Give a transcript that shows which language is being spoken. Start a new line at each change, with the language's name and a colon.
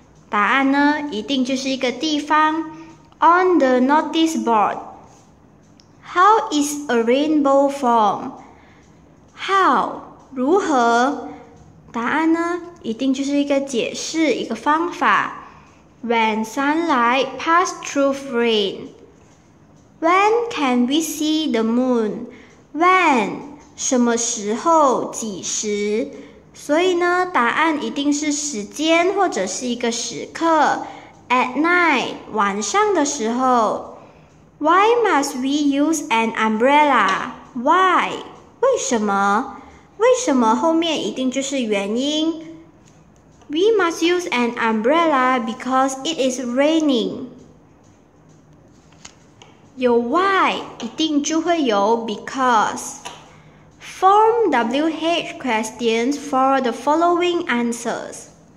Chinese: 答案呢，一定就是一个地方。
English: On the notice board. How is a rainbow formed?
Chinese: How 如何？答案呢，一定就是一个解释，一个方法。
English: When sunlight passes through rain, when can we see the moon?
Chinese: When 什么时候几时，所以呢答案一定是时间或者是一个时刻。
English: At night
Chinese: 晚上的时候。
English: Why must we use an umbrella?
Chinese: Why 为什么，为什么后面一定就是原因。
English: We must use an umbrella because it is raining。
Chinese: 有 why 一定就会有 because。
English: Form WH questions for the following answers.